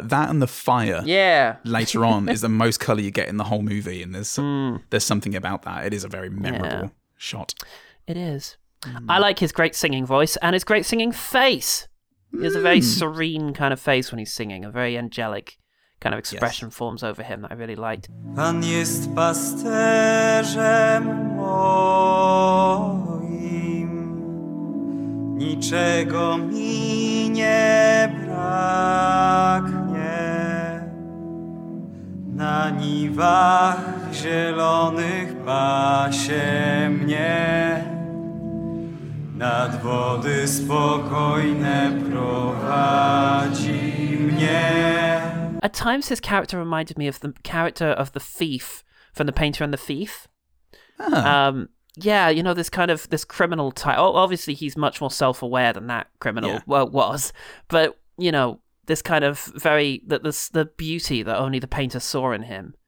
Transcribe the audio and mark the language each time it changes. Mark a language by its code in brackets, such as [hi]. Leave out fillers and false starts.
[en] That and the fire later on is the most colour you get in the whole movie. And there's something about that. It is a very memorable shot. It is. Mm. I like his great singing voice and his great singing face. He has a very serene kind of face when he's singing. A very angelic kind of expression forms over him that I really liked. [pl] Pan jest pasterzem moim. Niczego mi nie braknie. Na niwach zielonych pasie mnie. Nad wody spokojne prowadzi mnie. [en] At times, his character reminded me of the character of the thief from The Painter and the Thief. Yeah, you know, this kind of this criminal type. Obviously, he's much more self-aware than that criminal was. But, you know, this kind of very, the beauty that only the painter saw in him.